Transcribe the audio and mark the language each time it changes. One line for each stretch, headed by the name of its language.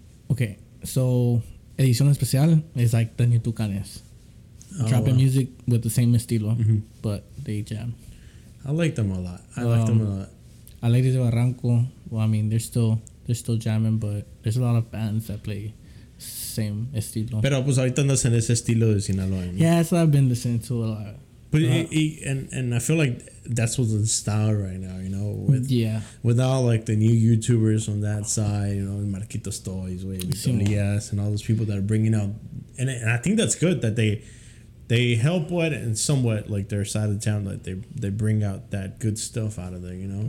English: Okay, so Edición Especial is like the new Tucanes. Dropping music with the same estilo, mm-hmm. but they jam. I like them a lot. I like them a lot. Alegres de Barranco, well, I mean, they're still jamming, but there's a lot of bands that play same estilo.
Spanish: Pero pues ahorita andas en ese estilo de Sinaloa.
English: Yeah, that's what I've been listening to a lot. But and I feel like that's what's in style right now, you know? With all like the new YouTubers on that side, you know, Marquitos Toys, Yes, and all those people that are bringing out. And I think that's good that they help what and somewhat like their side of the town, like they bring out that good stuff out of there, you know?